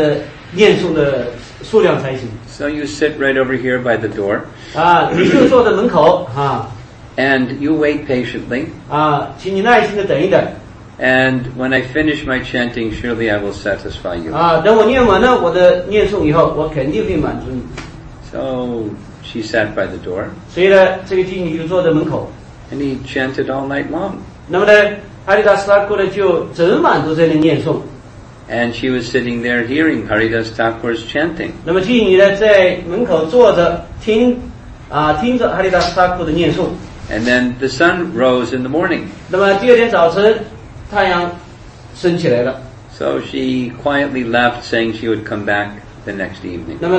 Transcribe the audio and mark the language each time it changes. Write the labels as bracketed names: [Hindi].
[Chinese] 但是呢，首先我要完成我附定的念诵的数量才行。 [English] So you sit right over here by the door. [Chinese] 你就坐在门口。 [English] And you wait patiently. [Chinese] 请你耐心地等一等。 [English] And when I finish my chanting, surely I will satisfy you. [Chinese] 等我念完了我的念诵以后，我肯定会满足你。 [English] So she sat by the door. [Chinese] 所以呢，这个妓女就坐在门口。 [English] And he chanted all night long. [Chinese] 那么呢，哈利达斯塔库呢就整晚都在那念诵。 [English] And she was sitting there hearing Haridas Thakur's chanting. [Chinese] 那么妓女呢在门口坐着听着哈利达斯塔库的念诵。 [English] And then the sun rose in the morning. [Chinese] 那么第二天早晨。太阳升起来了。 [English] So she quietly left, saying she would come back the next evening.